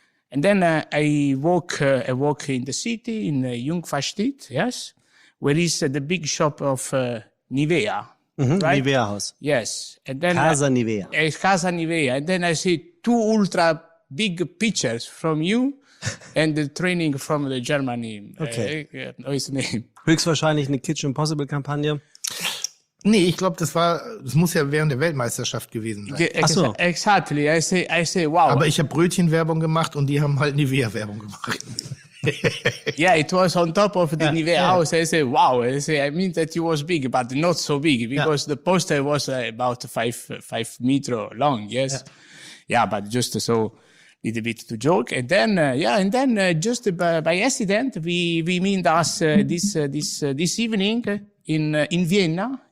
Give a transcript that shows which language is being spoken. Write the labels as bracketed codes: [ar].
[en] And then I walk in the city, in Jungfernstieg, yes, where is the big shop of Nivea, right? Nivea House. Yes. And then Casa Nivea. Casa Nivea. And then I see 2 ultra big pictures from you and the training from the Germany. Okay. No, his name. [de] Höchstwahrscheinlich eine Kitchen Impossible Kampagne. Nee, ich glaube, das muss ja während der Weltmeisterschaft gewesen sein. Ach so. [en] Exactly. I say, wow. [de] Aber ich habe Brötchenwerbung gemacht und die haben halt Nivea-Werbung gemacht. [en] Yeah, it was on top of the Nivea house. I say, wow. I say, I mean that it was big, but not so big, because the poster was about 5 meter long, yes? Yeah, but just so little bit to joke. And then, just by accident, we meet us this evening in Vienna.